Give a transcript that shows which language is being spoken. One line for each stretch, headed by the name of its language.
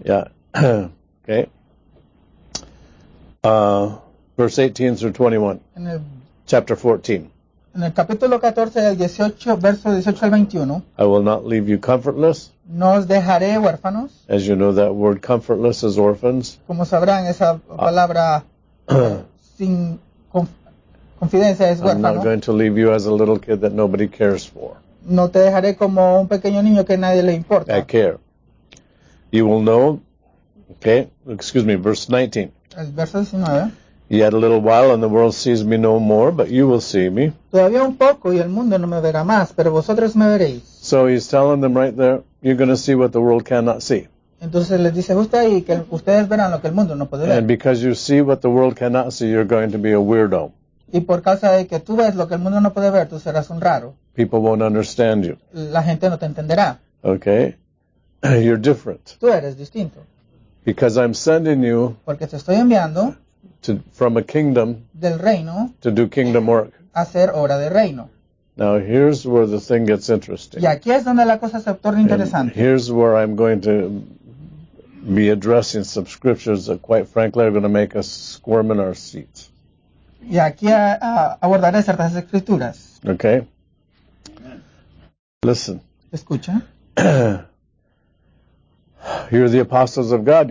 English: Yeah. Okay. Verse 18 through 21.
Spanish: En el,
English: chapter 14.
Spanish: En el capítulo 14, del 18, verso 18 al 21.
English: I will not leave you comfortless.
Spanish: No os dejaré huérfanos.
English: As you know, that word comfortless is orphans.
Spanish: Como sabrán, esa palabra sin confidencia es huérfano.
English: I'm not going to leave you as a little kid that nobody cares for.
Spanish: No te dejaré como un pequeño niño que nadie le importa.
English: I care. You will know. Okay, excuse me, verse 19.
Spanish: El verso 19.
English: Yet a little while and the world sees me no more, but you will see me.
Spanish: Todavía un poco y el mundo no me verá más, pero vosotros me veréis.
English: So he's telling them right there, you're going to see what the world cannot see.
Spanish: Entonces les dice justo ahí que ustedes verán lo que el mundo no puede ver.
English: And because you see what the world cannot see, you're going to be a weirdo.
Spanish: Y por causa de que tú ves lo que el mundo no puede ver, tú serás un raro.
English: People won't understand you.
Spanish: La gente no te entenderá.
English: Okay. You're different.
Spanish: Tú eres distinto.
English: Because I'm sending you.
Spanish: Porque te estoy enviando.
English: To, from a kingdom.
Spanish: Del reino.
English: To do kingdom work.
Spanish: Hacer obra de reino.
English: Now here's where the thing gets interesting.
Spanish: Y aquí es donde la cosa se torna interesante.
English: And here's where I'm going to be addressing some scriptures that, quite frankly, are going to make us squirm in our seats.
Spanish: Y aquí abordaré ciertas escrituras.
English: Okay. Listen.
Spanish: Escucha.
English: You're the apostles of God.